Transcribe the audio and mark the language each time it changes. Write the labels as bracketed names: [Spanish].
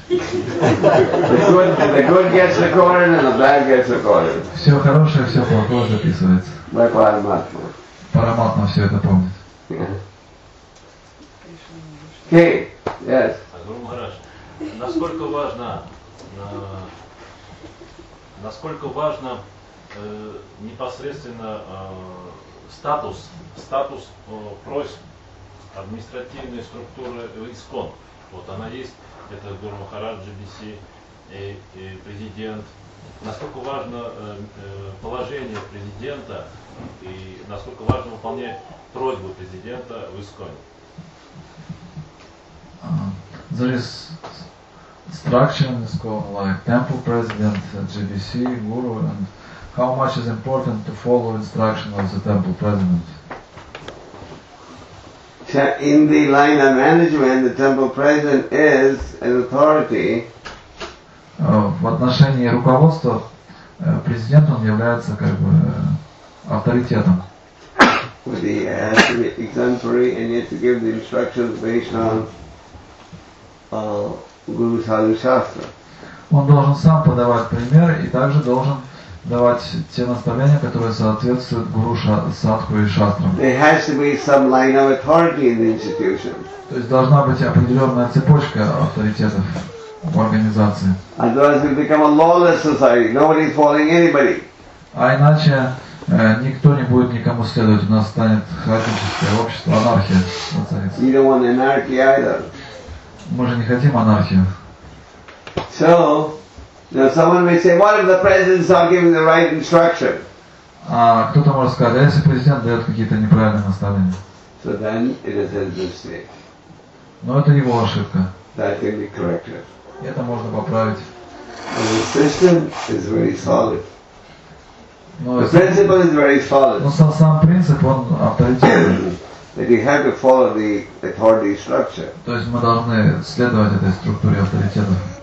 [English] The good gets recorded and the bad gets recorded. [Russian] Все хорошее, все плохое записывается. Параматма. Параматма все это помнит. [English] Okay, yes. [Russian] Насколько важно непосредственно статус просьб административной структуры ИСКОН. Вот она есть, это Гуру Махарадж, GBC, и президент. Насколько важно положение президента и насколько важно выполнять просьбу президента в ИСКОНе? [English] Structure in the school, like temple president, GBC, guru, and how much is important to follow instruction of the temple president? In the line of management, the temple president is an authority. [Russian] В отношении руководства президент он является как бы авторитетом. [English] He has to be exemplary and he has to give the instructions based on Guru Sadhu Shastra. [Russian] Он должен сам подавать пример и также должен давать те наставления, которые соответствуют Гуру Садху и Шастрам. [English] There has to be some line of authority in the institution. [Russian] То есть должна быть определенная цепочка авторитетов в организации. [English] Otherwise we become a lawless society. Nobody is following anybody. [Russian] А иначе никто не будет никому следовать. У нас станет хаотическое общество, анархия. [English] We don't want anarchy either. [Russian] Мы же не хотим анархию. [English] So, now someone may say, what if the president is not giving the right instruction? [Russian] Кто-то может сказать, а если президент дает какие-то неправильные наставления? [English] So then it is his mistake. [Russian] Но это его ошибка. [English] That can be corrected. [Russian] И это можно поправить. [English] And the system is very solid. The principle is very solid. [Russian] Но сам принцип, он авторитетный. [English] That you have to follow the authority structure. [Russian] То есть мы должны следовать этой структуре авторитетов.